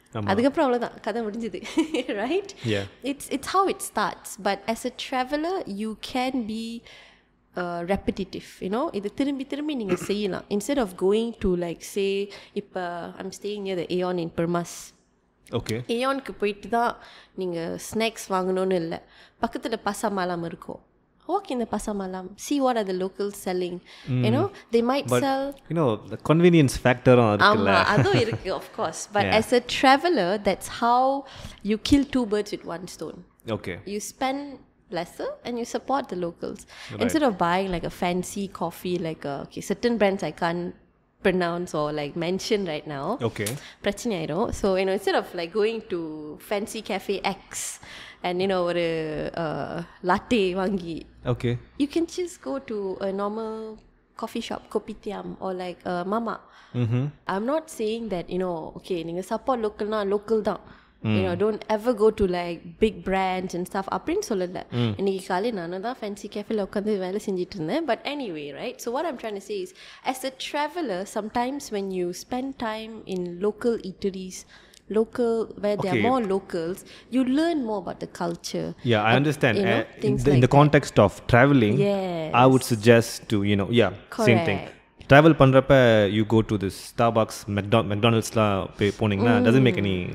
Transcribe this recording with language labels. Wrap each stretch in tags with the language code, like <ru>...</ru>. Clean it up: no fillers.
<ta>அதுக்கப்புறம் அவ்வளோதான் கதை முடிஞ்சது</ta> <en>right it's how it starts but as a traveller you can be repetitive you know</en> <ta>இது திரும்பி திரும்பி நீங்கள் செய்யலாம்</ta> <en>instead of going to like say இப்போ I'm staying here the Aeon in Permas okay</en> <ta>ஏஆனுக்கு போயிட்டு தான் நீங்கள் ஸ்நாக்ஸ் வாங்கணும்னு இல்லை பக்கத்தில் பசாமலாம் இருக்கும்</ta> <en>walk in the pasamalam, see what are the locals selling. You know, they might but sell, you know, the convenience factor on</en> <ta>irukku</ta> <en>of course, but yeah. As a traveler, that's how you kill two birds with one stone. Okay, you spend lesser and you support the locals, right. Instead of buying like a fancy coffee, like certain brands I can't pronounce or like mention right now. Okay,</en> <ta>prachana aidum.</ta> <en>So, you know, instead of like going to fancy cafe X and, you know, ஒரு latte வாங்கி. Okay. You can just go to a normal coffee shop, kopitiam, or like mama. Mm-hmm. I'm not saying that, you know, okay,</en> <ta>நீங்க support local னா local தான்.</ta> <en>You know, don't ever go to like big brands and stuff.</en> <ta>அப்படின்னு சொல்லல. இன்னைக்கு காலை நானும் தான் fancy கேஃபேல உட்காந்து வேலை செஞ்சுட்டு இருந்தேன்.</ta> <en>But anyway, right? So what I'm trying to say is, as a traveler, sometimes when you spend time in local eateries, local where there are more locals, you learn more about the culture. Yeah, I understand. You know, in the context of traveling, yes. I would suggest to, you know, yeah, correct. Same thing. Travel pandrappa, you go to this Starbucks, McDonald's la pay poning na, doesn't make any</en>